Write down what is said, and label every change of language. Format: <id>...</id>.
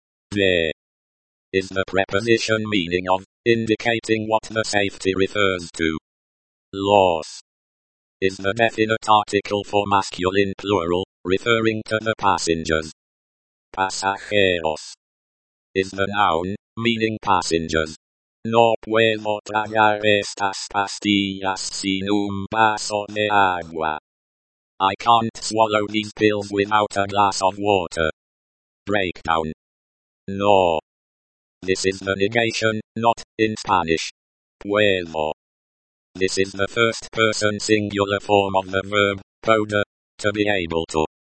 <en>De is the preposition meaning of, indicating what the safety refers to. Los is the definite article for masculine plural, referring to the passengers. Pasajeros is the noun, meaning passengers.</en> <es>No puedo tragar estas pastillas sin un vaso de agua.</es> <en>I can't swallow these pills without a glass of water. Breakdown. No. This is the negation, not, in Spanish. Puedo. This is the first person singular form of the verb, poder, to be able to.</en>